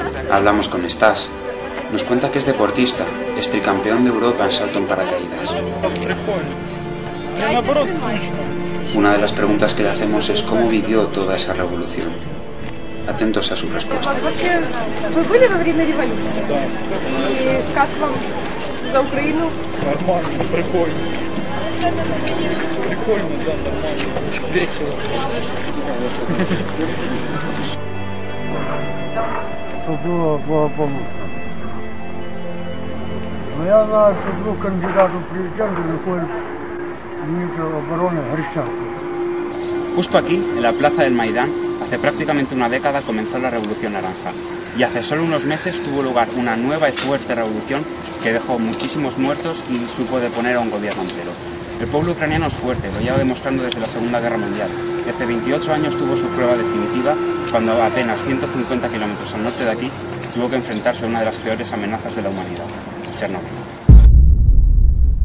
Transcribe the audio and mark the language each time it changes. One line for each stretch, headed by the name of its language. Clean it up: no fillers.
Spanish: Hablamos con Stas. Nos cuenta que es deportista, es tricampeón de Europa en salto en paracaídas. Una de las preguntas que le hacemos es cómo vivió toda esa revolución. Atentos a su respuesta.
Russian: Вы были во время революции? Да. И как вам за Украину? Нормально, прикольно. Прикольно, да, нормально. Весело. Было помощно. Но я знаю, что двух кандидатов в президенты выходит министр обороны Грищенко.
Spanish: Justo aquí, en la Plaza del Maidán, hace prácticamente una década comenzó la Revolución Naranja. Y hace solo unos meses tuvo lugar una nueva y fuerte revolución que dejó muchísimos muertos y supo deponer a un gobierno entero. El pueblo ucraniano es fuerte, lo lleva demostrando desde la Segunda Guerra Mundial. Hace 28 años tuvo su prueba definitiva cuando apenas 150 kilómetros al norte de aquí tuvo que enfrentarse a una de las peores amenazas de la humanidad, Chernóbil.